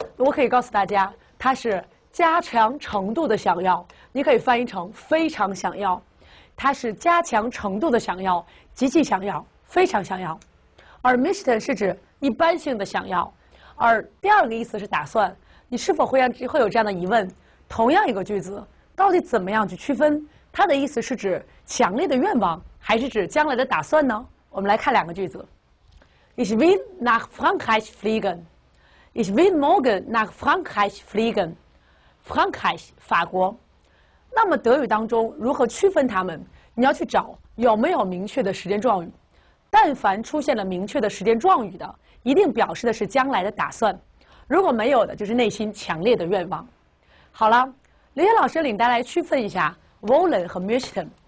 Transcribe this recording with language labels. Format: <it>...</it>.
<zh>我可以告诉大家，它是加强程度的想要，你可以翻译成非常想要，它是加强程度的想要，极其想要，非常想要。而 möchten 是指一般性的想要，而第二个意思是打算。你是否会有这样的疑问？同样一个句子，到底怎么样去区分？它的意思是指强烈的愿望，还是指将来的打算呢？我们来看两个句子。</zh> <de>Ich will nach Frankreich fliegen. Ich will morgen nach Frankreich fliegen.</de> <zh>Frankreich 法国。那么德语当中如何区分它们？你要去找有没有明确的时间状语。但凡出现了明确的时间状语的，一定表示的是将来的打算。如果没有的，就是内心强烈的愿望。好了，林岩老师领大家来区分一下 wollen 和 möchten。</zh>